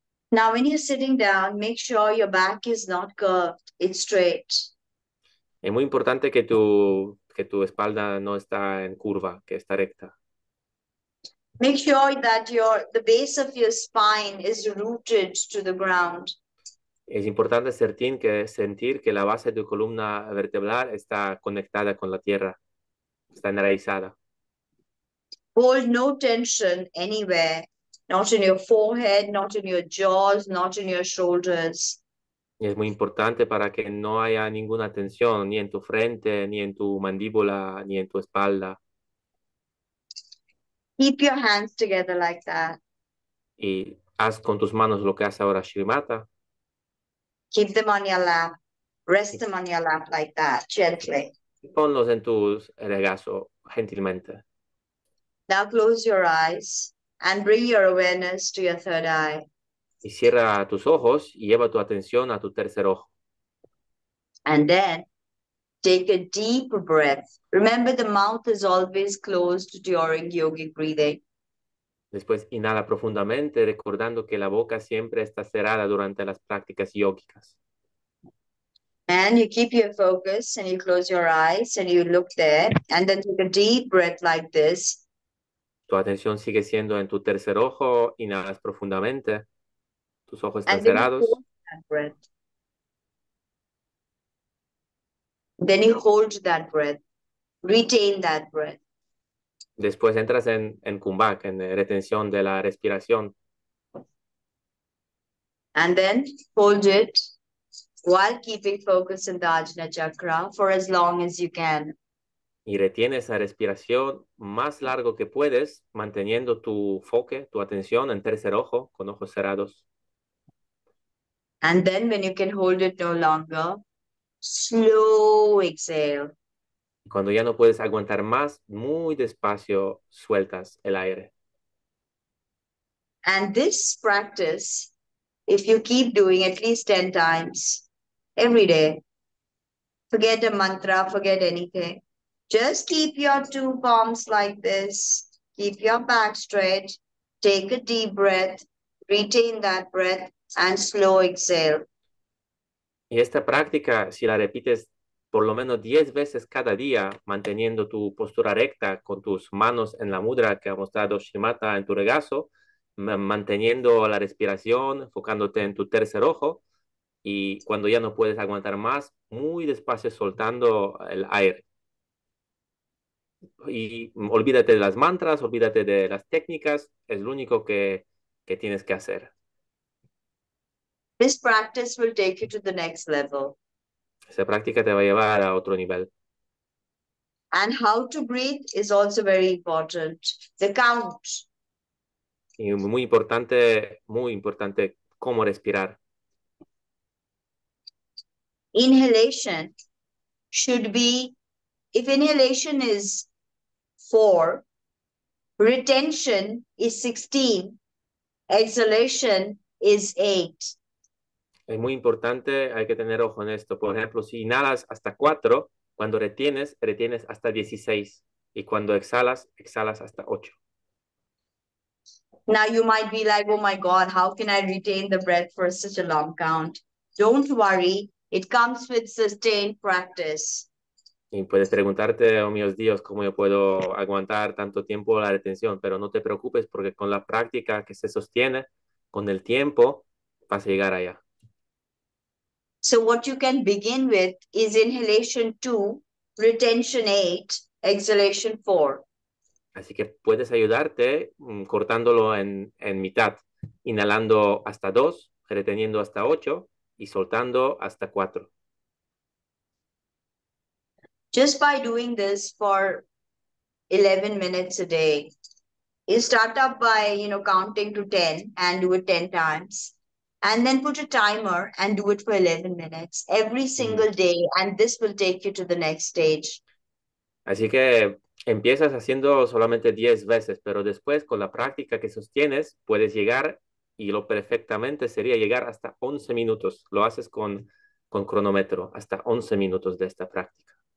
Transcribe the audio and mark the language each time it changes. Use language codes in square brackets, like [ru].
[en] Now, when you're sitting down, make sure your back is not curved, it's straight. [es] Es muy importante que tu espalda no está en curva, que está recta. [en] Make sure that the base of your spine is rooted to the ground. [es] Es importante sentir que la base de tu columna vertebral está conectada con la tierra, está enraizada. [en] Hold no tension anywhere. Not in your forehead, not in your jaws, not in your shoulders. [es] Y es muy importante para que no haya ninguna tensión ni en tu frente, ni en tu mandíbula, ni en tu espalda. [en] Keep your hands together like that. [es] Y haz con tus manos lo que hace ahora Shrimata. [en] Keep them on your lap. Rest them on your lap like that, gently. [es] Y ponlos en tu regazo, gentilmente. [en] Now close your eyes. And bring your awareness to your third eye. [es] Y cierra tus ojos y lleva tu atención a tu tercer ojo. [en] And then, take a deep breath. Remember, the mouth is always closed during yogic breathing. [es] Después, inhala profundamente, recordando que la boca siempre está cerrada durante las prácticas yógicas. [en] And you keep your focus and you close your eyes and you look there. And then take a deep breath like this. [es] Tu atención sigue siendo en tu tercer ojo, inhalas profundamente, tus ojos están cerrados. [en] Then you hold that breath, retain that breath. [es] Después entras en kumbhak, en retención de la respiración. [en] And then hold it while keeping focus in the Ajna Chakra for as long as you can. [es] Y retiene esa respiración más largo que puedes, manteniendo tu foco, tu atención en tercer ojo, con ojos cerrados. [en] And then when you can hold it no longer, slow exhale. [es] Y cuando ya no puedes aguantar más, muy despacio sueltas el aire. [en] And this practice, if you keep doing at least 10 times every day, forget a mantra, forget anything. Just keep your two palms like this. Keep your back straight. Take a deep breath. Retain that breath and slow exhale. [es] Y esta práctica, si la repites por lo menos 10 veces cada día, manteniendo tu postura recta con tus manos en la mudra que ha mostrado Shimata en tu regazo, manteniendo la respiración, enfocándote en tu tercer ojo, y cuando ya no puedes aguantar más, muy despacio soltando el aire. Y olvídate de las mantras, olvídate de las técnicas, es lo único que tienes que hacer. [en] This practice will take you to the next level. [es] Esa práctica te va a llevar a otro nivel. [en] And how to breathe is also very important. The count. [es] Y muy importante cómo respirar. [en] Inhalation should be, if inhalation is 4, retention is 16, exhalation is 8. [es] Es muy importante, hay que tener ojo en esto. Por ejemplo, si inhalas hasta 4, cuando retienes, retienes hasta 16. Y cuando exhalas, exhalas hasta 8. [en] Now you might be like, oh my God, how can I retain the breath for such a long count? Don't worry, it comes with sustained practice. [es] Y puedes preguntarte, oh mis Dios, ¿cómo yo puedo aguantar tanto tiempo la retención? Pero no te preocupes, porque con la práctica que se sostiene, con el tiempo, vas a llegar allá. [en] So what you can begin with is inhalation 2, retention 8, exhalation 4. [es] Así que puedes ayudarte cortándolo en mitad, inhalando hasta 2, reteniendo hasta 8 y soltando hasta 4. [en] Just by doing this for 11 minutes a day, you start up by, you know, counting to 10 and do it 10 times. And then put a timer and do it for 11 minutes every single day. And this will take you to the next stage. [es] Así que empiezas haciendo solamente 10 veces, pero después con la práctica que sostienes, puedes llegar, y lo perfectamente sería llegar hasta 11 minutos. Lo haces con cronómetro, hasta 11 minutos de esta práctica.